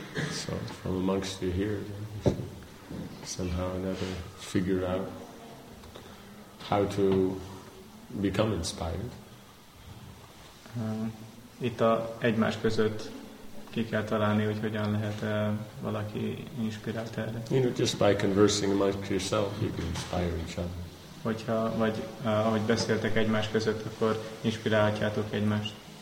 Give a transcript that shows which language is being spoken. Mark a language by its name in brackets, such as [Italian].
[English] So from amongst you here, then you should somehow or another figure out how to become inspired. [Hungarian] Itt a egymás között ki kell találni, hogy hogyan lehet valaki inspirált erre. [English] You know, just by conversing amongst yourself, you can inspire each other. [Hungarian] Hogyha, vagy ahogy beszéltek egymás között, akkor inspirálhatjátok egymást.